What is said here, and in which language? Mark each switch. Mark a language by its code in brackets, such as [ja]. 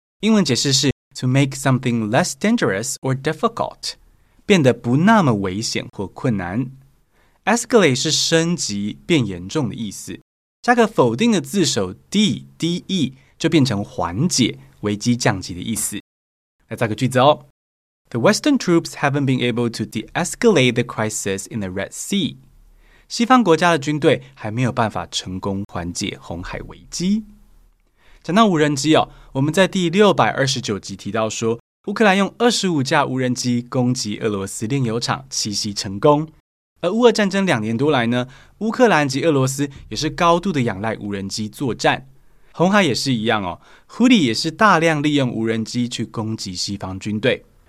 [zh] 英文解释是 [en] to make something less dangerous or difficult， [zh] 变得不那么危险或困难。 Escalate 是升级变严重的意思，加个否定的字首 D-D-E 就变成缓解危机降级的意思。来造个句子哦， [en] The Western troops haven't been able to de-escalate the crisis in the Red Sea， [zh] 西方国家的军队还没有办法成功缓解红海危机。讲到无人机哦，我们在第629集提到说，乌克兰用25架无人机攻击俄罗斯炼油厂，奇袭成功。而乌俄战争两年多来呢，乌克兰及俄罗斯也是高度的仰赖无人机作战。红海也是一样哦， Houthi 也是大量利用无人机去攻击西方军队。